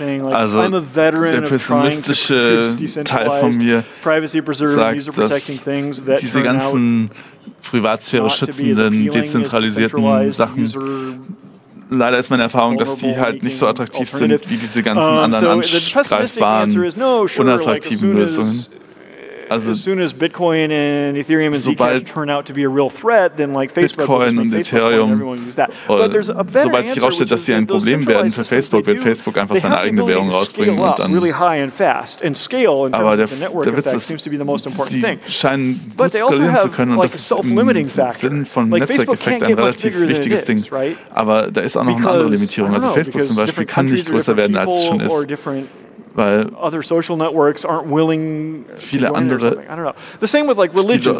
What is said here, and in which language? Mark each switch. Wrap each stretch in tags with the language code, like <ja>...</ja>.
<de>Also der pessimistische Teil von mir sagt, dass diese ganzen Privatsphäre schützenden, dezentralisierten Sachen, leider ist meine Erfahrung, dass die halt nicht so attraktiv sind, wie diese ganzen anderen angreifbaren, unattraktiven Lösungen.</de> <en>also as soon as Bitcoin and Ethereum and Zcash turn out to be a real threat, then like Facebook</en> <de>Bitcoin und Ethereum sobald sich herausstellt, dass sie ein Problem werden für Facebook, wird Facebook einfach seine eigene Währung rausbringen und dann</de> <en>really high and fast and scale in terms of the network effect seems to be the most important thing.</en> <de>Scheinen gut skalieren zu können und das ist im Sinn von Netzwerkeffekt ein relativ wichtiges Ding. Aber da ist auch noch eine andere Limitierung. Also Facebook zum Beispiel kann nicht größer werden, als es schon ist. Weil</de> <en>other social networks aren't willing</en> <de>viele andere,</de> <en>the same with like religion,</en>